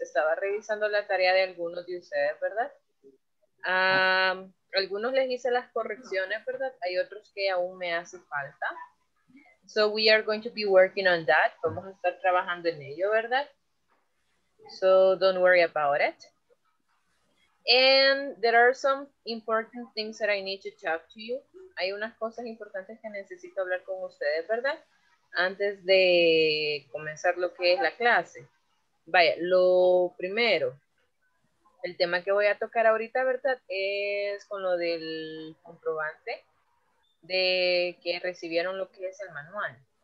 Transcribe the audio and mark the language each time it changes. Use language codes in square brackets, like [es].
[es] Estaba revisando la tarea de algunos de ustedes, ¿verdad? Algunos les hice las correcciones, ¿verdad? Hay otros que aún me hace falta. [en] So we are going to be working on that. [es] Vamos a estar trabajando en ello, ¿verdad? [en] So don't worry about it. And there are some important things that I need to talk to you. [es] Hay unas cosas importantes que necesito hablar con ustedes, ¿verdad? Antes de comenzar lo que es la clase. Vaya, lo primero, el tema que voy a tocar ahorita, ¿verdad? Es con lo del comprobante de que recibieron lo que es el manual.